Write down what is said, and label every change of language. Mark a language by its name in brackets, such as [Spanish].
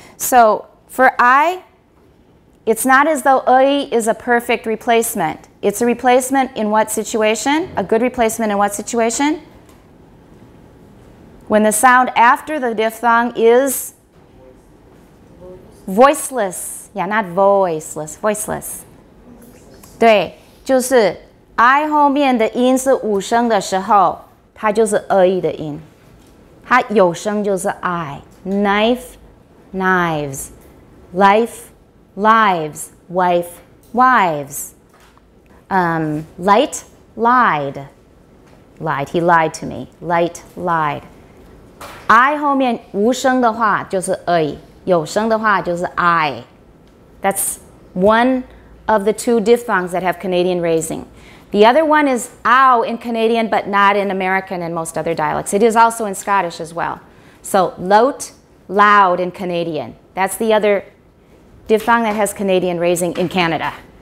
[English] So for I,It's not as though I is a perfect replacement. It's a replacement in what situation? A good replacement in what situation? When the sound after the diphthong is voiceless. Yeah, not voiceless, voiceless. [Chinese] 对，就是 I 后面的音是无声的时候，它就是 I 的音。 [English] 它有声就是 I. Knife, knives. Life.Lives, wife, wives. Light lied. Lied. He lied to me. Light lied. [Chinese] I 后面无声的话就是 a, 有声的话就是 I. [English] That's one of the two diphthongs that have Canadian raising. The other one is ow in Canadian, but not in American and most other dialects. It is also in Scottish as well. So loat, loud in Canadian. That's the other diphthong that has Canadian raising in Canada.